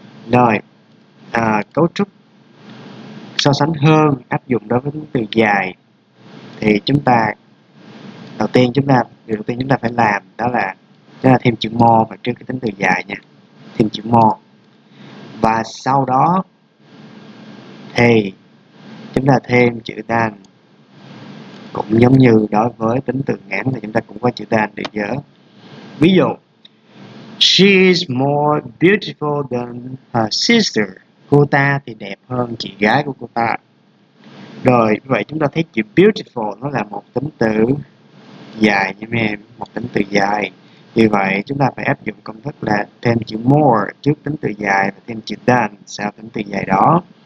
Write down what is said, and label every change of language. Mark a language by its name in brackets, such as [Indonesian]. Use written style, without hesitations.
[Vietnamese] Rồi, cấu trúc so sánh hơn áp dụng đối với tính từ dài thì chúng ta điều đầu tiên chúng ta phải làm, đó là thêm chữ more vào trước cái tính từ dài nha, thêm chữ more, và sau đó thì chúng ta thêm chữ than, cũng giống như đối với tính từ ngắn thì chúng ta cũng có chữ than để dỡ. Ví dụ: [English] she is more beautiful than her sister. [Vietnamese] Cô ta thì đẹp hơn chị gái của cô ta. Rồi, vậy chúng ta thấy chữ beautiful nó là một tính từ dài nha mấy em, một tính từ dài. Vì vậy chúng ta phải áp dụng công thức là thêm chữ more trước tính từ dài và thêm chữ than sau tính từ dài đó.